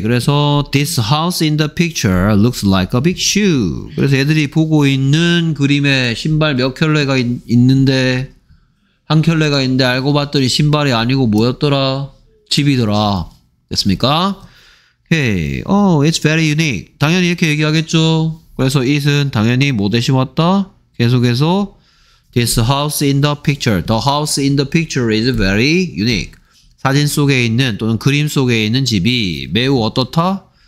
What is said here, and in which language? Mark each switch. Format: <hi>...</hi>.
<ko>그래서</ko> <en>this house in the picture looks like a big shoe.</en> <ko>그래서 애들이 보고 있는 그림에 신발 몇 켤레가 있는데, 한 켤레가 있는데 알고 봤더니 신발이 아니고 뭐였더라? 집이더라. 됐습니까?</ko> <en>Hey, oh, it's very unique.</en> <ko>당연히 이렇게 얘기하겠죠. 그래서 it은 당연히 뭐 대신 왔다? 계속해서</ko> <en>this house in the picture. The house in the picture is very unique.</en> <ko>사진 속에 있는 또는 그림 속에 있는 집이 매우 어떻다?</ko>